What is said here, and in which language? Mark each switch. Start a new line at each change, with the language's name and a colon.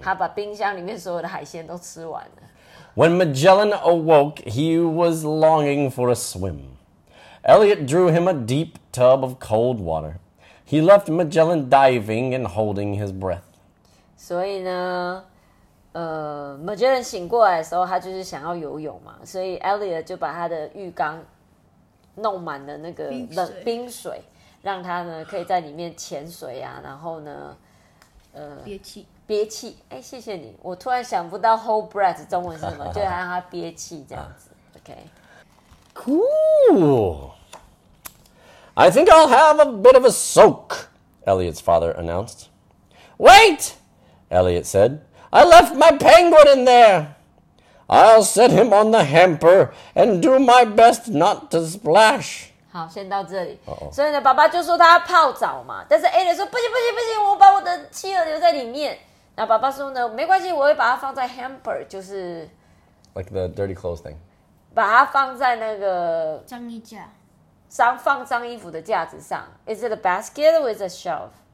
Chinese: 他把冰箱里面所有的海鲜都吃完了。
English: When Magellan awoke, he was longing for a swim. Elliot drew him a deep tub of cold water. He left Magellan diving and holding his breath.
Chinese: 所以呢，Magellan 醒过来的时候，他就是想要游泳嘛，所以 Elliot 就把他的浴缸弄满了那个冷冰水，让他呢可以在里面潜水啊，然后呢，憋气。憋气，哎，谢谢你。我突然想不到 hold breath 中文是什么，就让他憋气这样子。OK，
English: cool. I think I'll have a bit of a soak. Elliot's father announced. Wait, Elliot said. I left my penguin in there. I'll set him on the hamper and do my best not to splash.
Chinese: 好，先到这里。所以呢，爸爸就说他要泡澡嘛，但是 Elliot 说不行不行不行，我把我的企鹅留在里面。那爸爸说呢，没关系，我会把它放在 hamper， 就是
English: like the dirty clothes thing，
Chinese: 把它放在那个脏衣架，上放脏衣服的架子上。
English: Is it a basket or is it a shelf？